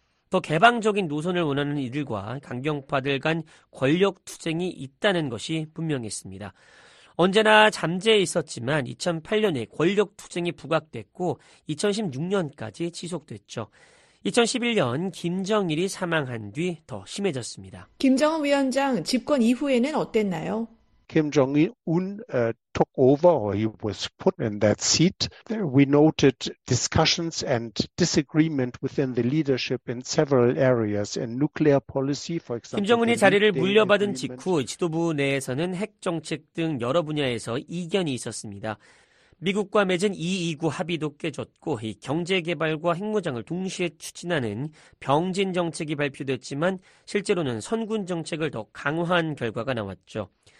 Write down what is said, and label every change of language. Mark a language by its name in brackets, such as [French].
[Korean] 더 개방적인 노선을 원하는 이들과 강경파들 간 권력투쟁이 있다는 것이 분명했습니다. 언제나 잠재해 있었지만 2008년에 권력투쟁이 부각됐고 2016년까지 지속됐죠. 2011년 김정일이 사망한 뒤 더 심해졌습니다. 김정은 위원장 집권 이후에는 어땠나요? [English] 김정일은 took over or he was put in that seat. We noted discussions and disagreement within the leadership in several areas in nuclear policy, for example. [Korean] 김정은이 자리를 물려받은 직후 지도부 내에서는 핵 정책 등 여러 분야에서 이견이 있었습니다. 미국과 맺은 2.29 합의도 깨졌고 이 경제개발과 핵무장을 동시에 추진하는 병진정책이 발표됐지만 실제로는 선군정책을 더 강화한 결과가 나왔죠.